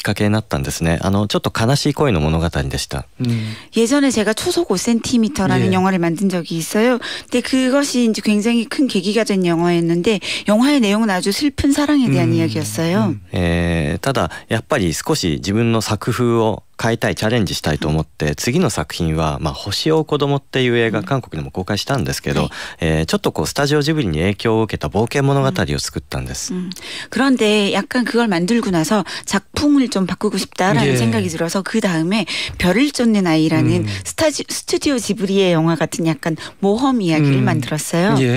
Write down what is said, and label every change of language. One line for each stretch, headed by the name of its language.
Japanese: 僕は秒速5cmという映画を随分昔に作って、あれが一つ多くの人に見てもらえるきっかけになったんですね。あのちょっと悲しい恋の物語でした。
Korean: 예전에 제가 초속 5cm라는 영화를 만든 적이 있어요. 근데 그것이 이제 굉장히 큰 계기가 된 영화였는데 영화의 내용은 아주 슬픈 사랑에 대한 이야기였어요.
Japanese: ただやっぱり少し自分の作風を 変えたい、チャレンジしたいと思って、次の作品は星を子供っていう映画、韓国でも公開したんですけど、ちょっとスタジオジブリに影響を受けた冒険物語を作ったんです。
Korean: 그런데 약간 그걸 만들고 나서 작품을 좀 바꾸고 싶다라는 생각이 들어서 그 다음에 별을 쫓는 아이라는 스튜디오 지브리의 영화 같은 약간 모험 이야기를 만들었어요.